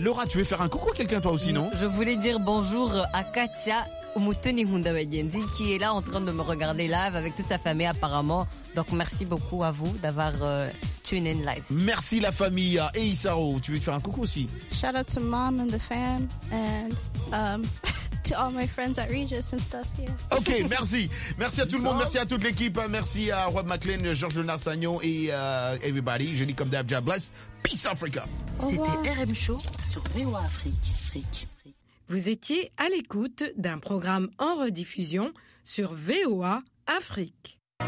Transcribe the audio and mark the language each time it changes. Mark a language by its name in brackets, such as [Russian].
[French] Laura, tu veux faire un coucou à quelqu'un toi aussi, non? Je voulais dire bonjour à Katia Umutuni Hundawayendi qui est là en train de me regarder live avec toute sa famille apparemment. Donc merci beaucoup à vous d'avoir [English] tune in [French] live. Merci la famille. Et Isaro, tu veux faire un coucou aussi? [English] Shout out to mom and the fam and to all my friends at Regis and stuff here. Yeah. [French] Ok, merci. Merci à tout le monde. Merci à toute l'équipe. Merci à Rob McLean, Georges Lenard Sagnon et everybody. Je dis comme d'hab, Jah bless. Peace Africa. C'était RM Show sur VOA Afrique. Vous étiez à l'écoute d'un programme en rediffusion sur VOA Afrique.